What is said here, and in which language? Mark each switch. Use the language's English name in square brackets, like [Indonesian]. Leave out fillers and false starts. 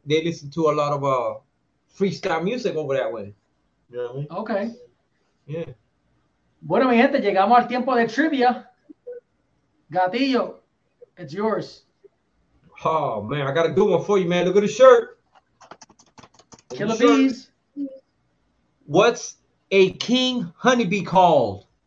[English] They listen to a lot of freestyle music over that way. You know what I mean? Okay. Yeah. [Spanish] Bueno, mi gente, llegamos al tiempo de trivia. [English] Gatillo, it's yours. Oh, man, I got a good one for you, man. Look at the shirt. Killer Bees. What's a king honeybee called?